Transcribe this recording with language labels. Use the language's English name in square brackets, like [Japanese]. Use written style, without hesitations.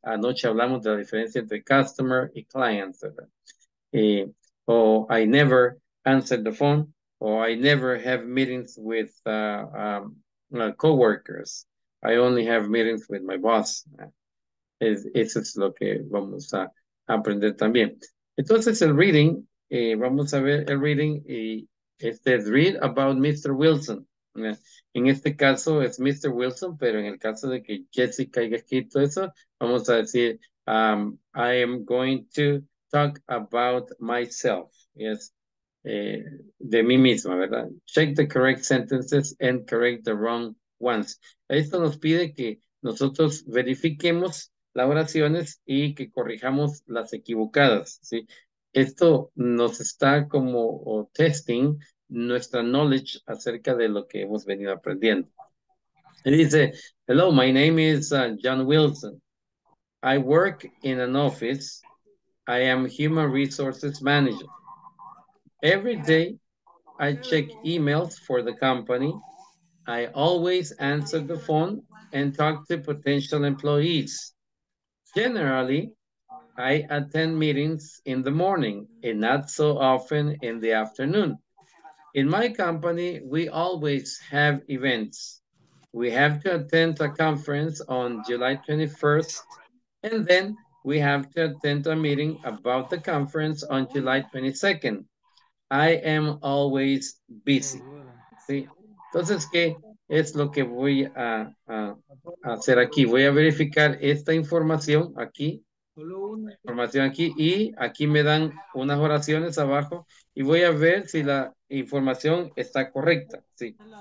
[Spanish] Anoche hablamos de la diferencia entre customer y client. [English] I never answer the phone. Or I never have meetings with co-workers. I only have meetings with my boss. [Spanish] Eso es lo que vamos a aprender también. Entonces, el reading, vamos a ver el reading. Este es read about Mr. Wilson. En este caso es Mr. Wilson, pero en el caso de que Jessica haya escrito eso, vamos a decir, [English] I am going to talk about myself. [Spanish] Yes, de mí misma, ¿verdad? [English] Check the correct sentences and correct the wrong ones. [Spanish] Esto nos pide que nosotros verifiquemos las oraciones y que corrijamos las equivocadas, ¿sí? Esto nos está como testing nuestra knowledge acerca de lo que hemos venido aprendiendo. Y dice, [English] hello, my name is John Wilson. I work in an office. I am human resources manager. Every day, I check emails for the company. I always answer the phone and talk to potential employees. Generally, I attend meetings in the morning and not so often in the afternoon. In my company, we always have events. We have to attend a conference on July 21st, and then we have to attend a meeting about the conference on July 22nd. I am always busy. ¿Sí? [Spanish] Entonces, ¿qué es lo que voy a hacer aquí? Voy a verificar esta información aquí. Y aquí me dan unas oraciones abajo y voy a ver si la información está correcta. Sí.